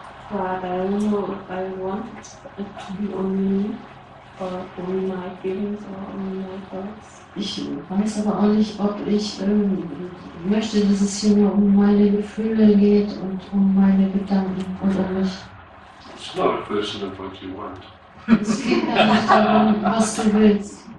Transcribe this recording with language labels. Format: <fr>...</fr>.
<en>But I don't know if I want it to be on me, or on my feelings, or on my thoughts.</en> <de>Ich weiß aber auch nicht, ob ich möchte, dass es hier nur um meine Gefühle geht und um meine Gedanken oder nicht.</de> <en>It's not a question of what you want.</en> <de>Es geht ja nicht darum, was du willst.</de>